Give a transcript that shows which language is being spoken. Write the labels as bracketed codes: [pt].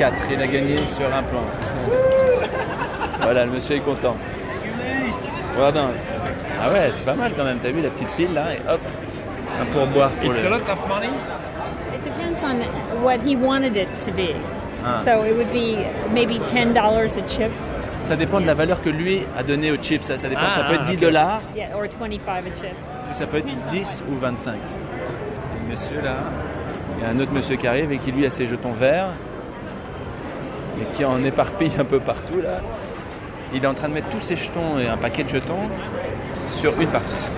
[fr] Il a gagné sur un plan. Voilà, le monsieur est content. Regarde. Ah ouais, c'est pas mal quand même. T'as vu la petite pile là et hop, un pourboire. [en] It's a lot of money. It depends on what he wanted it to be. So it would be maybe $10 a chip. [fr] Ça dépend de la valeur que lui a donnée aux chips. Ça dépend. Ça peut être $10. [en] Yeah, or 25 a chip. [fr] Mais ça peut être 10 ou 25. Le monsieur là, il y a un autre monsieur qui arrive et qui lui a ses jetons verts. Et qui en éparpille un peu partout là. Il est en train de mettre tous ses jetons et un paquet de jetons sur une partie.